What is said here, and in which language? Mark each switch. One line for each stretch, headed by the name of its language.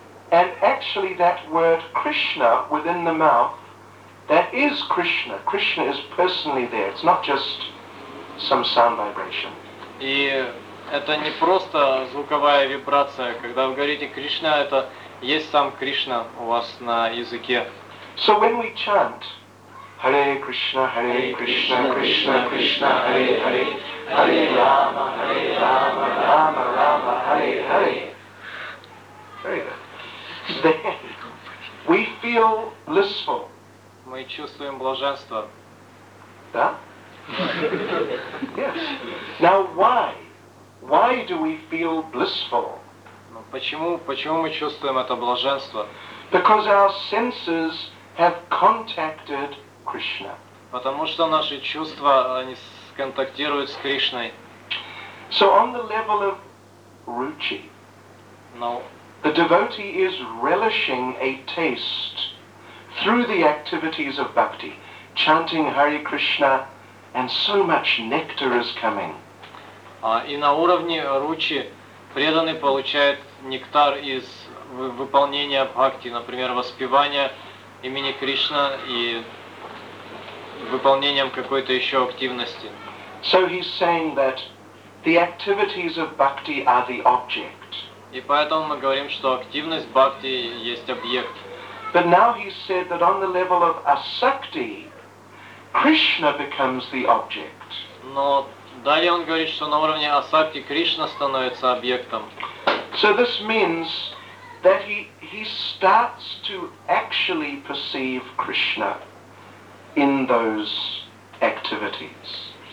English: And actually that word Krishna within the mouth, that is Krishna. Krishna is personally there. It's not just some sound vibration.
Russian: И это не просто звуковая вибрация. Когда вы говорите Кришна, это есть сам Кришна у вас на языке.
English: So when we chant Hare Krishna, Hare Krishna, Krishna Krishna, Hare Hare, Hare Rama, Hare Rama, Rama Rama, Hare Hare. Very good. Then, we feel blissful.
Russian: Мы чувствуем блаженство. Да?
English: Yes. Now, why? Why do we feel blissful?
Russian: Почему мы чувствуем это блаженство?
English: Because our senses have contacted Krishna.
Russian: Потому что наши чувства, они контактируют с Кришной.
English: So on the level of ruchi, the devotee is relishing a taste through the activities of bhakti, chanting Hare Krishna, and so much nectar is coming.
Russian: И на уровне ручи преданный получает нектар из выполнения бхакти, например, воспевания имени Кришна и выполнением какой-то еще активности.
English: So he's saying that the activities of bhakti are the object.
Russian: И поэтому мы говорим, что активность бхакти есть объект.
English: But now he said that on the level of asakti, Krishna becomes the object.
Russian: Но далее он говорит, что на уровне асакти Кришна становится объектом.
English: So this means that he starts to actually perceive Krishna in those activities.